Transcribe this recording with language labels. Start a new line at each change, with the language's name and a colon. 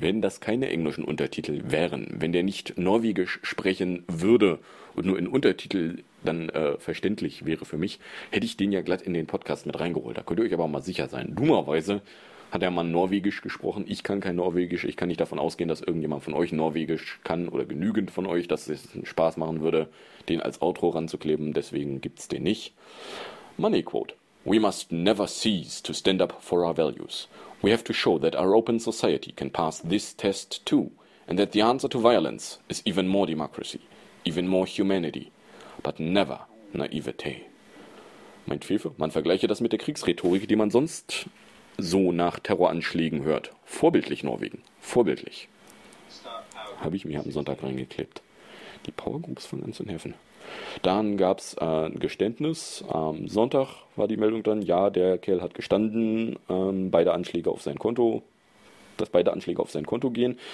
German: Wenn das keine englischen Untertitel wären, wenn der nicht norwegisch sprechen würde und nur in Untertitel dann verständlich wäre für mich, hätte ich den ja glatt in den Podcast mit reingeholt. Da könnt ihr euch aber mal sicher sein. Dummerweise hat der Mann norwegisch gesprochen. Ich kann kein Norwegisch. Ich kann nicht davon ausgehen, dass irgendjemand von euch norwegisch kann oder genügend von euch, dass es einen Spaß machen würde, den als Outro ranzukleben. Deswegen gibt's den nicht.
English: Money quote. We must never cease to stand up for our values. We have to show that our open society can pass this test too, and that the answer to violence is even more democracy, even more humanity, but never naivete.
German: Meint Fefe, man vergleiche das mit der Kriegsrhetorik, die man sonst so nach Terroranschlägen hört. Vorbildlich Norwegen, vorbildlich. Habe ich mir am Sonntag reingeklebt. Die Powergroups fangen an zu nerven. Dann gab es ein Geständnis. Am Sonntag war die Meldung dann, ja, der Kerl hat gestanden, beide Anschläge auf sein Konto, dass beide Anschläge auf sein Konto gehen.